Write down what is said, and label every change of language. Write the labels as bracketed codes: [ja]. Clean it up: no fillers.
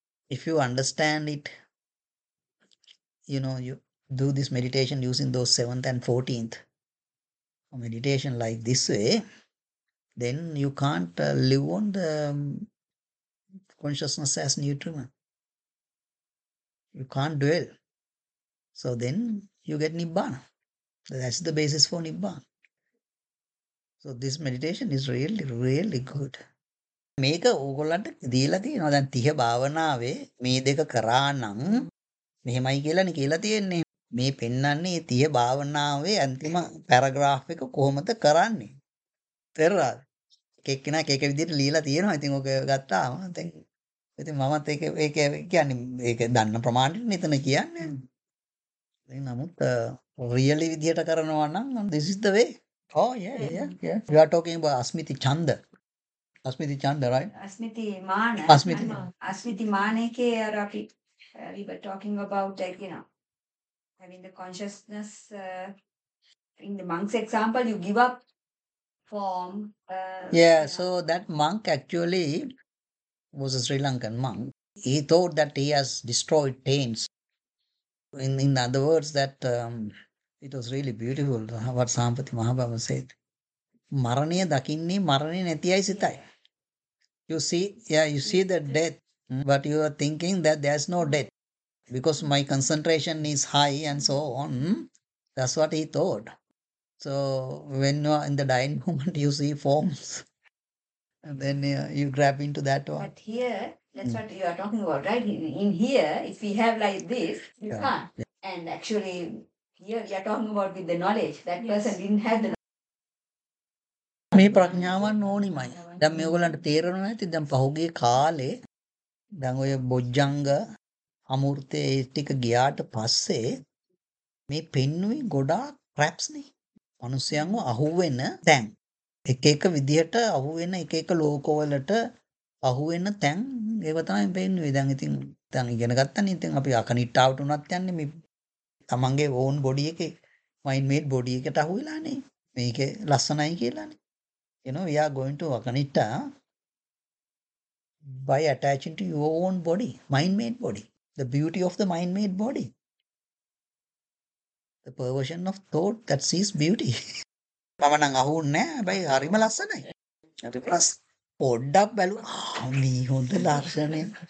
[en] If you understand it, you know, you do this meditation using those 7th and 14th meditation like this way, then you can't live on the consciousness as nutriment. You can't dwell. So then you get Nibbana. That's the basis for Nibbana. So this meditation is really, really good. [si] මේක ඕගොල්ලන්ට දීලා තියෙනවා දැන් 30 භාවනාවේ මේ දෙක කරා නම් මෙහෙමයි කියලානේ කියලා තියෙන්නේ මේ පෙන්නන්නේ 30 භාවනාවේ අන්තිම පැරග්‍රාෆ් එක කොහොමද කරන්නේ තේරලා කෙක්කිනා කෙක විදිහට ලියලා තියෙනවා ඉතින් ඔක ගත්තාම දැන් ඉතින් මමත් ඒක කියන්නේ ඒක දන්න ප්‍රමාණයට නෙතන කියන්නේ ඉතින් නමුත් රියලි විදිහට කරනවා නම් [en] this is the way oh yeah. You are talking about Asmiti Chanda. Asmiti Chanda, right? Asmiti Mana. Asmiti. Asmiti Mana ke Rafi. We were talking about that, you know, having the consciousness. In the monk's example, you give up form. Yeah, You know. so that monk actually was a Sri Lankan monk. He thought that he has destroyed taints. In other words, that it was really beautiful what Sampati Mahabhava said. [si] Maraniya dakinni maraniya netiyai sitai. [en] Yeah. You see, yeah, you see the death, but you are thinking that there's no death because my concentration is high and so on. That's what he thought. So when you are in the dying moment, you see forms, and then you grab into that one. But here, that's what you are talking about, right? In here, if we have like this, you Yeah. can't. And actually, here we are talking about with the knowledge. That person Yes. didn't have the [si] මේ ප්‍රඥාවන් ප්‍රඥාවන් ඕනිමයි. දැන් මේ ඔයගලන්ට තේරෙනවා ඇති දැන් පහුගිය කාලේ දැන් ඔය බොජ්ජංග අමූර්තේ ටික ගියාට පස්සේ මේ පෙන්නුයි ගොඩාක් ට්‍රැප්ස් නේ. මිනිස්සුයන්ව අහුවෙන තැන්. එක එක විදිහට අහුවෙන එක එක ලෝකවලට අහුවෙන තැන් ඒව තමයි පෙන්නුයි. දැන් ඉතින් දැන් ඉගෙන ගත්තනේ ඉතින් අපි අකනිටාවට උනත් යන්නේ මේ තමන්ගේ ඕන් බොඩි එකේ මයින් මේඩ් බොඩි එකට අහුවෙලානේ. මේකේ ලස්සනයි කියලානේ. [en] You know, we are going to Akanitta by attaching to your own body, mind-made body, the beauty of the mind-made body, the perversion of thought that sees beauty. [si] මම නම් අහුන්නේ නැහැ. හැබැයි හරිම ලස්සනයි. අපි ප්‍රස් පොඩ්ඩක් බැලුවා. මේ හොඳ දර්ශනය.